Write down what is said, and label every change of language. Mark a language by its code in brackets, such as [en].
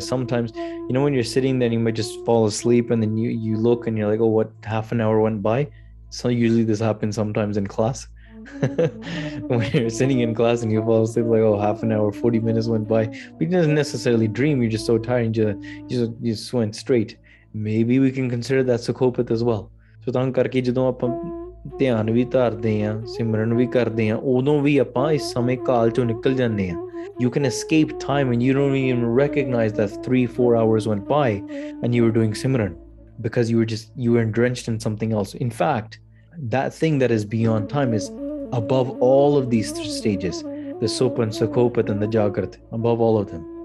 [en] Sometimes, you know, when you're sitting there, you might just fall asleep and then you look and you're like, oh, what, half an hour went by? So usually this happens sometimes in class. When you're sitting in class and you fall asleep, like, oh, half an hour, 40 minutes went by. But you don't necessarily dream. You're just so tired. And you just went straight. Maybe we can consider that sukhopat as well. [pa] So tan karke jadon aap ਧਿਆਨ ਵੀ ਧਾਰਦੇ ਹਾਂ ਸਿਮਰਨ ਵੀ ਕਰਦੇ ਹਾਂ ਉਦੋਂ ਵੀ ਆਪਾਂ ਇਸ ਸਮੇਂ ਕਾਲ ਚੋਂ ਨਿਕਲ ਜਾਂਦੇ ਹਾਂ [en] You can escape time and you don't even recognize that 3-4 hours went by and you were doing Simran because you were drenched in something else. In fact, that thing that is beyond time is above all of these stages, the Sopan, Sukopat and the Jagrat, above all of them.